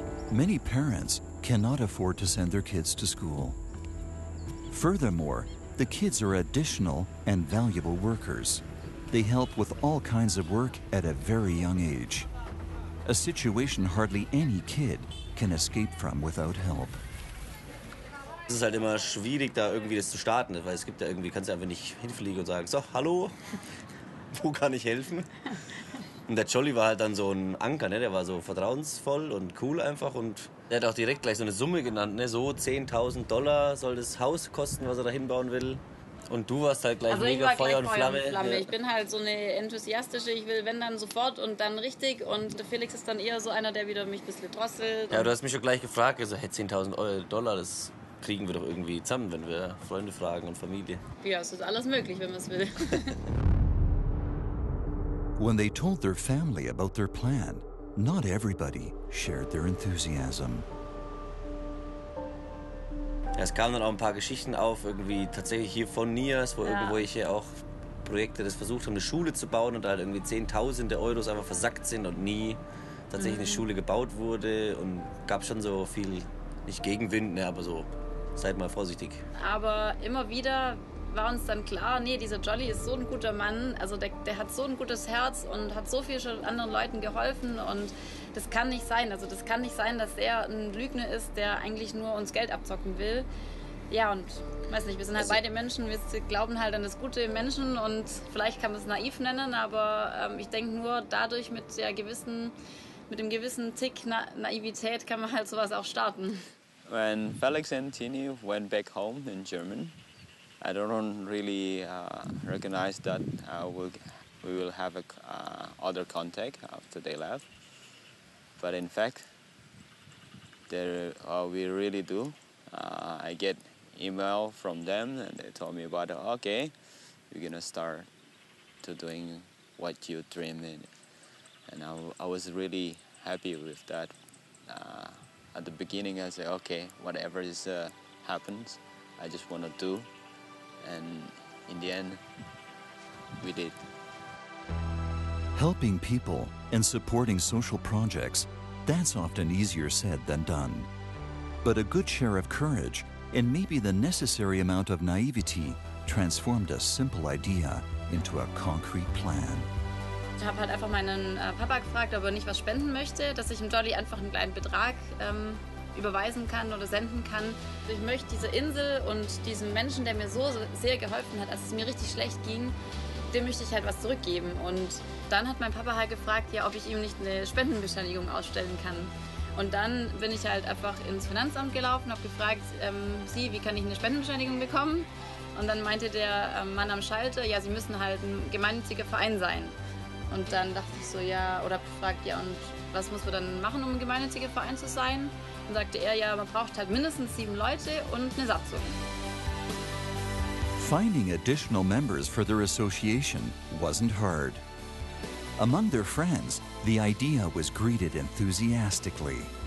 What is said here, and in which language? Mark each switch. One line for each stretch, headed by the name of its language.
English: Many parents cannot afford to send their kids to school. Furthermore, the kids are additional and valuable workers. They help with all kinds of work at a very young age, a situation hardly any kid can escape from without help.
German: Es ist halt immer schwierig, da irgendwie das zu starten, weil es gibt ja irgendwie, kannst du einfach nicht hinfliegen und sagen, so, hallo, wo kann ich helfen? Und der Jolly war halt dann so ein Anker, ne? Der war so vertrauensvoll und cool einfach und der hat auch direkt gleich so eine Summe genannt, ne? So $10,000 soll das Haus kosten, was er da hinbauen will. Und du warst halt gleich also mega gleich Feuer und Flamme. Flamme. Ja. Ich bin halt so eine enthusiastische, ich will wenn dann sofort und dann richtig. Und der Felix ist dann eher so einer, der wieder mich ein bisschen drosselt. Ja, du hast mich schon gleich gefragt, also, hey, $10,000, das kriegen wir doch irgendwie zusammen, wenn wir Freunde fragen und Familie. Ja, es ist alles möglich, wenn man es will.
English: When they told their family about their plan, not everybody shared their enthusiasm.
German: Ja, es kamen dann auch ein paar Geschichten auf, irgendwie tatsächlich hier von Nias, wo irgendwo ich hier auch Projekte das versucht haben, eine Schule zu bauen und da halt irgendwie Zehntausende Euros einfach versackt sind und nie tatsächlich eine Schule gebaut wurde und gab schon so viel, nicht Gegenwind, ne, aber so, seid mal vorsichtig. Aber immer wieder war uns dann klar, nee, dieser Jolly ist so ein guter Mann, also der hat so ein gutes Herz und hat so viel schon anderen Leuten geholfen und das kann nicht sein, also das kann nicht sein, dass er ein Lügner ist, der eigentlich nur uns Geld abzocken will. Ja, und weiß nicht, wir sind halt also beide Menschen, wir glauben halt an das Gute im Menschen und vielleicht kann man es naiv nennen, aber ich denke nur dadurch mit dem gewissen Tick Naivität kann man halt sowas auch starten.
English: When Felix and Tini went back home in Germany, I don't really recognize that I will we will have other contact after they left. But in fact, we really do. I get email from them and they told me about, okay, you're gonna start to doing what you dream in. And I was really happy with that. At the beginning, I said, okay, whatever is happens, I just want to do. And in the end, we did. Helping people and supporting social projects, that's often easier said than done. But a good share of courage and maybe the necessary amount of naivety transformed a simple idea into a concrete plan.
German: Ich habe halt einfach meinen Papa gefragt, ob er nicht was spenden möchte, dass ich im Jolly einfach einen kleinen Betrag überweisen kann oder senden kann. Ich möchte diese Insel und diesem Menschen, der mir so sehr geholfen hat, als es mir richtig schlecht ging, dem möchte ich halt was zurückgeben. Und dann hat mein Papa halt gefragt, ja, ob ich ihm nicht eine Spendenbescheinigung ausstellen kann. Und dann bin ich halt einfach ins Finanzamt gelaufen, habe gefragt, Sie, wie kann ich eine Spendenbescheinigung bekommen? Und dann meinte der Mann am Schalter, ja, Sie müssen halt ein gemeinnütziger Verein sein. Und dann dachte ich so, ja, oder fragt, ja, und was muss man dann machen, um ein gemeinnütziger Verein zu sein? Und sagte er, ja, man braucht halt mindestens 7 Leute und eine Satzung.
English: Finding additional members for their association wasn't hard. Among their friends, the idea was greeted enthusiastically.